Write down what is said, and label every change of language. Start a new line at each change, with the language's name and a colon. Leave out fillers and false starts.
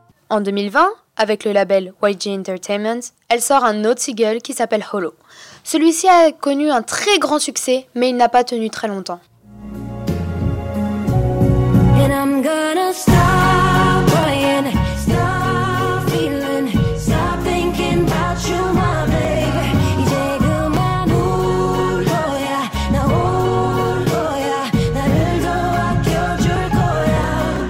French: En 2020, avec le label YG Entertainment, elle sort un autre single qui s'appelle Hollow. Celui-ci a connu un très grand succès, mais il n'a pas tenu très longtemps.
English: I'm gonna stop crying, stop feeling, stop thinking about you, my baby.
Korean: 이제 그만 울 거야, 나 울 거야, 나를 더 아껴줄 거야.